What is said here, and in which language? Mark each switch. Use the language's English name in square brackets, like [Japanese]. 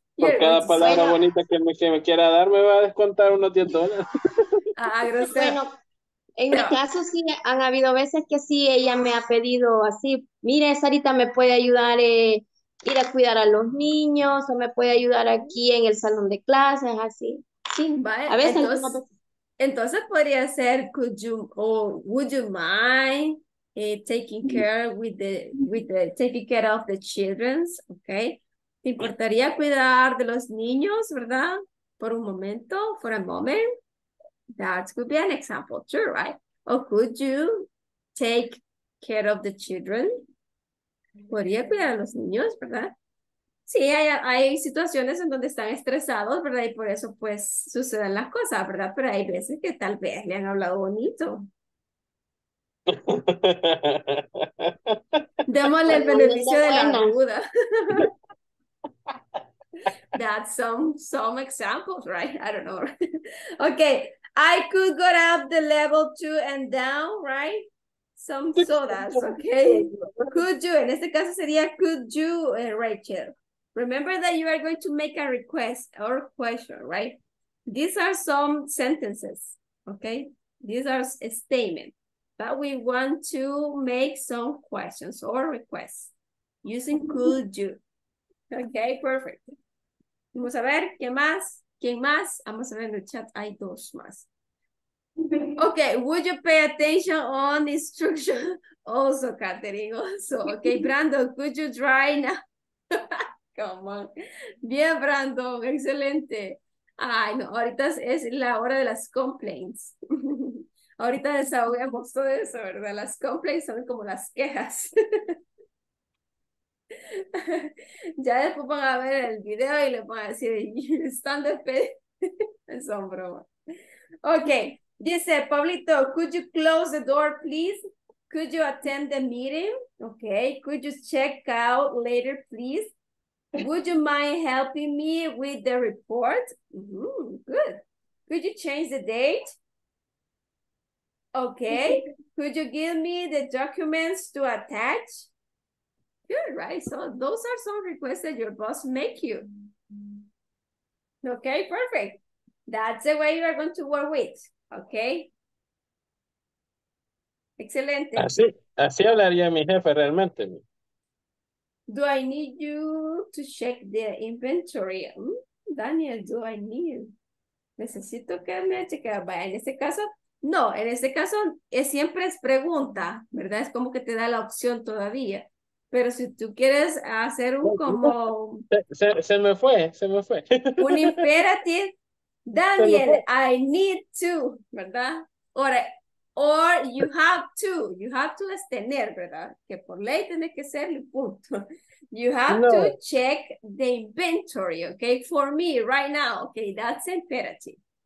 [Spanish] Por cada palabra bonita que me quiera dar, me va a descontar unos $10. Ah, gracias. Bueno, en mi caso, sí, han habido veces que sí, ella me ha pedido así, mire, Sarita, ¿me puede ayudar ir a cuidar a los niños, o me puede ayudar aquí en el salón de clases, así. Sí, vale. A veces entonces, entonces podría ser, [English] could you, or would you mind taking care taking care of the children, okay? [Spanish] ¿Te importaría cuidar de los niños, verdad? Por un momento, [English] for a moment. That could be an example too, right? Or could you take care of the children? [Spanish] ¿Podría cuidar a los niños, verdad? Sí, hay situaciones en donde están estresados, ¿verdad? Y por eso, pues, suceden las cosas, ¿verdad? Pero hay veces que tal vez le han hablado bonito. Démosle el beneficio de la duda. [English] That's some examples, right? I don't know. Okay, I could go up the level 2 and down, right? Some sodas, okay? Could you, [Spanish] en este caso sería, [English] could you, Rachel? Remember that you are going to make a request or question, right? These are some sentences, okay? These are a statement, but we want to make some questions or requests using could you. Okay, perfect. [Spanish] Vamos a ver, ¿qué más? ¿Quién más? Vamos a ver en el chat, hay dos más. [English] Okay, would you pay attention on instruction? Also, Catherine, also. Okay, Brandon, could you dry now? Come on. [Spanish] Bien, Brandon, excelente. Ay, no, ahorita es la hora de las complaints. Ahorita desahogamos todo eso, ¿verdad? Las complaints son como las quejas. Ya después van a ver el video y les van a decir, están despedidos. Son bromas. [English] Okay, [Spanish] dice, [English] Pablito, could you close the door, please? Could you attend the meeting? Okay, could you check out later, please? Would you mind helping me with the report? Ooh, good. Could you change the date? Okay. Could you give me the documents to attach? Good, right? So those are some requests that your boss make you. Okay, perfect. That's the way you are going to work with. Okay. [Spanish] Excelente. Así hablaría mi jefe realmente. [English] Do I need you to check the inventory? [Spanish] Daniel, [English] do I need? [Spanish] Necesito que me cheque. Vaya, en este caso, no, en este caso es, siempre es pregunta, ¿verdad? Es como que te da la opción todavía. Pero si tú quieres hacer un como... Se me fue. [English] Un imperative. Daniel, I need to, ¿verdad? Or you have to [Spanish] es tener, ¿verdad? Que por ley tiene que ser el punto. [English] You have to check the inventory, okay, for me right now, okay, that's imperative.